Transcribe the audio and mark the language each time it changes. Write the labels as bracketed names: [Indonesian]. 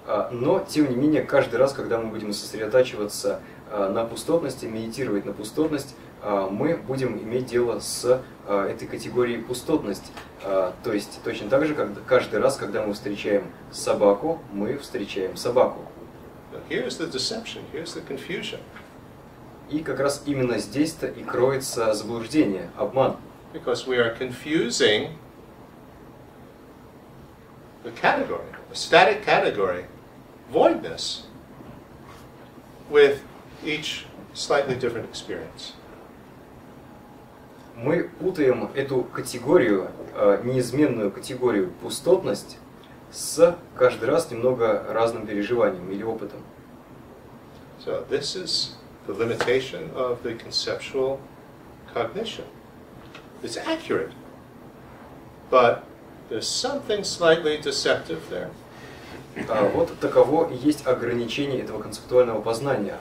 [Russian] Но тем не менее каждый раз, когда мы будем сосредотачиваться на пустотности, медитировать на пустотность, мы будем иметь дело с этой категорией пустотность. То есть точно так же, как каждый раз, когда мы встречаем собаку, мы встречаем собаку. [English] Here's the deception, here's the confusion. [Russian] И как раз именно здесь-то и кроется заблуждение, обман. [English] Because we are confusing the category, the static category, voidness, with each slightly different experience. [Russian] Мы путаем эту категорию, неизменную категорию пустотность, с каждый раз немного разным переживанием или опытом. [English] So this is the limitation of the conceptual cognition. It's accurate, but there's something slightly deceptive there. [Russian] Вот таково и есть ограничение этого концептуального познания.